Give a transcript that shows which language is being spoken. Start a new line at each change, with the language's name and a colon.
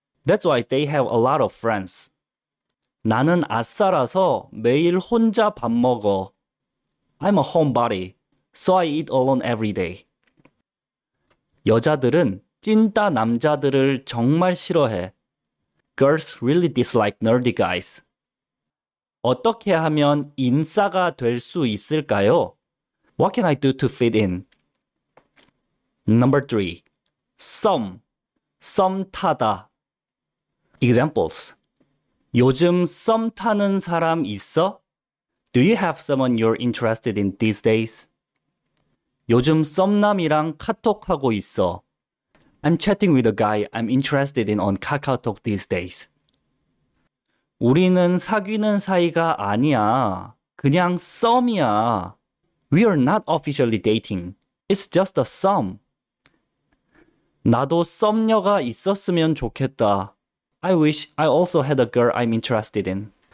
English: That's why they have a lot of friends.
Korean: 나는 아싸라서 매일 혼자 밥 먹어.
English: I'm a homebody, so I eat alone every day.
Korean: 여자들은 찐따 남자들을 정말 싫어해.
English: Girls really dislike nerdy guys.
Korean: 어떻게 하면 인싸가 될 수 있을까요?
English: What can I do to fit in? Number three, 썸, 썸 타다. Examples.
Korean: 요즘 썸 타는 사람 있어?
English: Do you have someone you're interested in these days?
Korean: 요즘 썸남이랑 카톡하고 있어.
English: I'm chatting with a guy I'm interested in on KakaoTalk these days.
Korean: 우리는 사귀는 사이가 아니야. 그냥 썸이야.
English: We are not officially dating. It's just a 썸.
Korean: 나도 썸녀가 있었으면 좋겠다.
English: I wish I also had a girl I'm interested in.